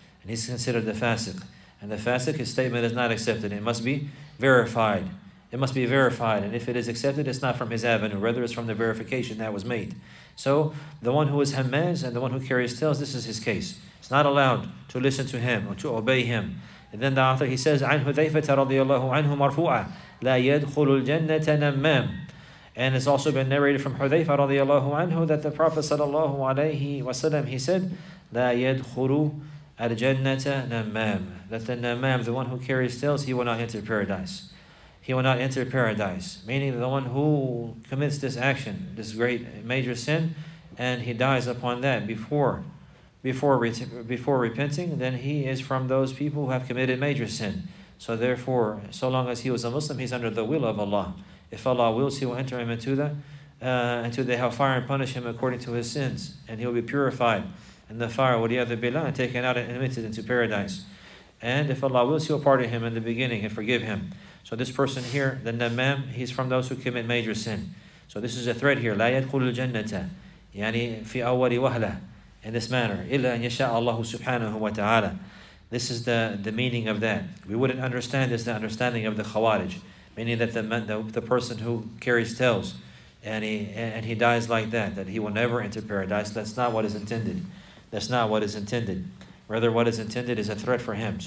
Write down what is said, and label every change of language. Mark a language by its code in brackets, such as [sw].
[en] And he's considered the fasiq. And the fasiq, his statement is not accepted. It must be verified. It must be verified. And if it is accepted, it's not from his avenue. Rather, it's from the verification that was made. So the one who is hammaz and the one who carries tales, this is his case. It's not allowed to listen to him or to obey him. And then the author, he says, [ar] عَنْ هُذَيْفَةَ رَضِيَ اللَّهُ عَنْهُ مَرْفُوعًا لَا يَدْخُلُ الْجَنَّةَ نَمَّامٌ. [en] And it's also been narrated from Hudhayfa radiallahu anhu that the Prophet sallallahu alayhi wasallam, he said, [ar] لا يدخل الجنة نمام, [en] that the Namam, the one who carries tails, he will not enter paradise. He will not enter paradise. Meaning the one who commits this action, this great major sin, and he dies upon that before repenting, then he is from those people who have committed major sin. So therefore, so long as he was a Muslim, he's under the will of Allah. If Allah wills, he will enter him into the hellfire and punish him according to his sins. And he will be purified in the fire, waliyadhu billah, and taken out and admitted into paradise. And if Allah wills, he will pardon him in the beginning and forgive him. So this person here, the namam, he's from those who commit major sin. So this is a threat here. [ar] لا يدخل الجنة يعني في أول وهلة, [en] in this manner. [ar] إلا أن يشاء الله سبحانه وتعالى. [en] This is the meaning of that. We wouldn't understand this, the understanding of the Khawarij, meaning that the person who carries tails and he dies like that, that he will never enter paradise. That's not what is intended. That's not what is intended. Rather, what is intended is a threat for him.